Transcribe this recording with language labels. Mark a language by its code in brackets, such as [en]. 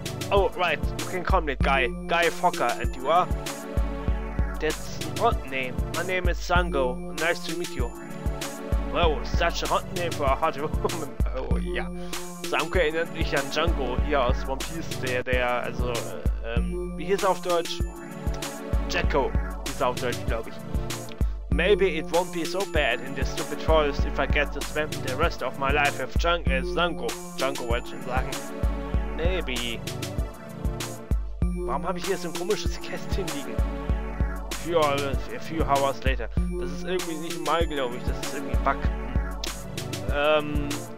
[en] Oh, right, you can call me Guy Fokker, and you are? That's a hot name. My name is Sango, nice to meet you. Wow, such a hot name for a hot woman. Oh, yeah. [de] Sango erinnert mich an Django, hier aus One Piece, wie hieß er auf Deutsch? Jacko, hieß er auf Deutsch, glaube ich. [en] Maybe it won't be so bad in this stupid forest if I get to spend the rest of my life with Jungle Witch and Blacken. Maybe. [de] Warum habe ich hier so ein komisches Kästchen liegen? [en] A few hours later. [de] Das ist irgendwie nicht mal, glaube ich. Das ist irgendwie ein Bug.